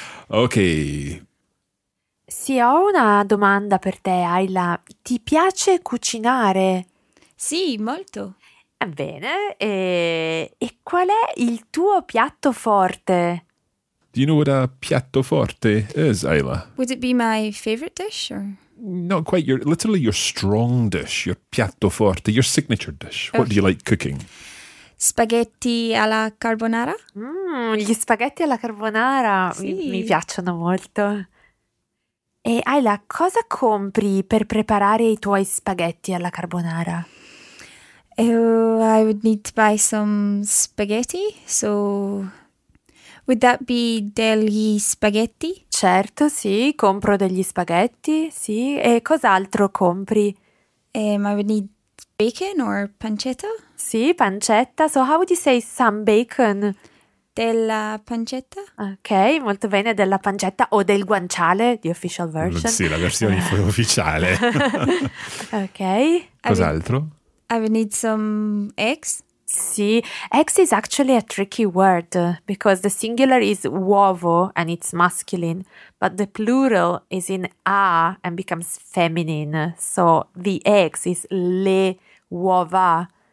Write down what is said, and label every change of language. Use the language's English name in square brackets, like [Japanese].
[English] Ok. [Italian] Sì, ho una domanda per te, Ayla. Ti piace cucinare? Sì, molto. Bene. E qual è il tuo piatto forte? [English] Do you know what a piatto forte is, Ayla? Would it be my favorite dish or...? Not quite. You're literally your strong dish, your piatto forte, your signature dish. What do you like cooking? [Italian] Spaghetti alla carbonara. Gli spaghetti alla carbonara. Sì. Mi piacciono molto. E Ayla, cosa compri per preparare i tuoi spaghetti alla carbonara? [English] I would need to buy some spaghetti. So, would that be [Italian] degli spaghetti? Certo, sì, compro degli spaghetti, sì. E cos'altro compri? [English] I would need bacon or pancetta? [Italian] Sì, pancetta. [English] So how would you say some bacon? [Italian] Della pancetta. Ok, molto bene, della pancetta o del guanciale, [English] the official version. [Italian] Sì, la versione ufficiale. Ok. Cos'altro? [English] I would need some eggs. Sì, eggs is actually a tricky word because the singular is uovo and it's masculine, but the plural is in a and becomes feminine. So the eggs is [Italian] le uova.